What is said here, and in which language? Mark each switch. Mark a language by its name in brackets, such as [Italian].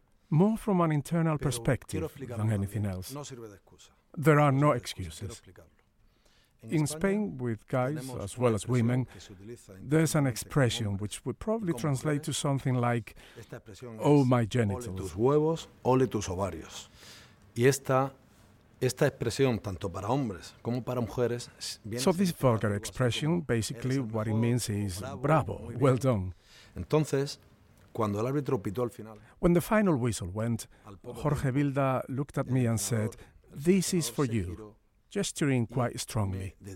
[English] More from an internal perspective than anything else. [Spanish] No sirve de excusa. [English] There are no excuses. In Spain, with guys as well as women, there's an expression which would probably translate to something like, oh, my genitals. [Spanish] Ole tus huevos, ole tus ovarios. Y esta expresión, tanto para hombres como para mujeres, [English] so this vulgar expression, basically what it means is, bravo, well done. [Spanish] Entonces, cuando el árbitro pitó al final, [English] when the final whistle went, Jorge Bilda looked at me and said, this is for you, gesturing quite strongly.